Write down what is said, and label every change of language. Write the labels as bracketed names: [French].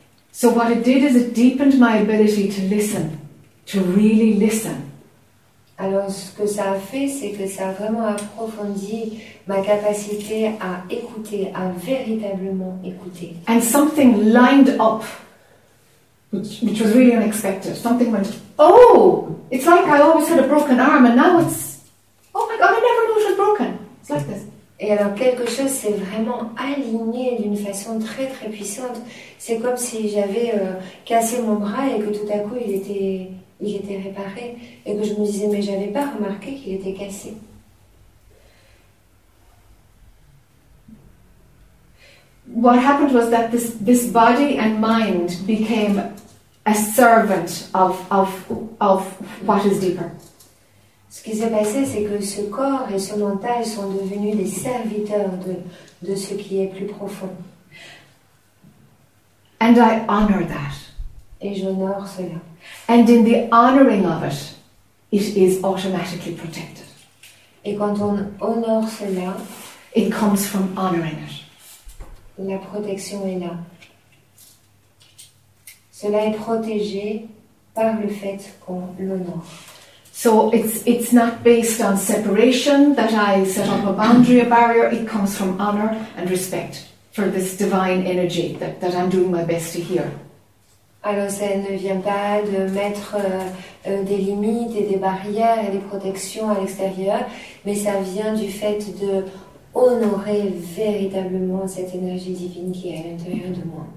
[English] So what it did is it deepened my ability to listen, to really listen. [French] Alors ce que ça a fait, c'est que ça a vraiment approfondi ma capacité à écouter, à véritablement écouter. [English] And something lined up. Which was really unexpected. Something went, oh, it's like I always had a broken arm and now it's, oh my God, I never knew it was broken. It's like this. [French] Et alors quelque chose s'est vraiment aligné d'une façon très très puissante. C'est comme si j'avais cassé mon bras et que tout à coup il était réparé et que je me disais, mais j'avais pas remarqué qu'il était cassé. [English] What happened was that this body and mind became a servant of what is deeper. [French] Ce qui s'est passé, c'est que ce corps et ce mental sont devenus des serviteurs de ce qui est plus profond. [English] And I honor that. [French] Et j'honore cela. [English] And in the honoring of it, it is automatically protected. [French] Et quand on honore cela, [English] it comes from honoring it. [French] La protection est là. Cela est protégé par le fait qu'on l'honore. [English] So it's not based on separation that I set up a boundary, a barrier. It comes from honor and respect for this divine energy that I'm doing my best to hear. [French] Alors, ça ne vient pas de mettre des limites et des barrières et des protections à l'extérieur, mais ça vient du fait de honorer véritablement cette énergie divine qui est à l'intérieur de moi.